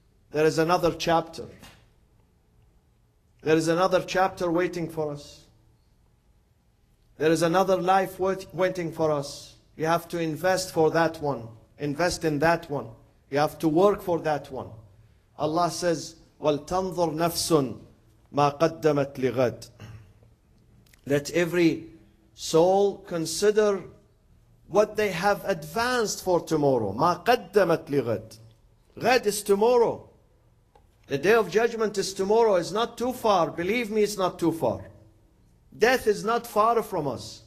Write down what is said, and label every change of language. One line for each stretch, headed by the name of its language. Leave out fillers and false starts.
English: There is another chapter. There is another chapter waiting for us. There is another life waiting for us. You have to invest for that one. Invest in that one. You have to work for that one. Allah says,
Arabic: وَلْتَنْظُرْ نَفْسٌ مَا قَدَّمَتْ لِغَدْ.
English: Let every soul consider what they have advanced for tomorrow.
Arabic: مَا قَدَّمَتْ لِغَدْ.
English: غَدْ is tomorrow. The day of judgment is tomorrow. It's not too far. Believe me, it's not too far. Death is not far from us.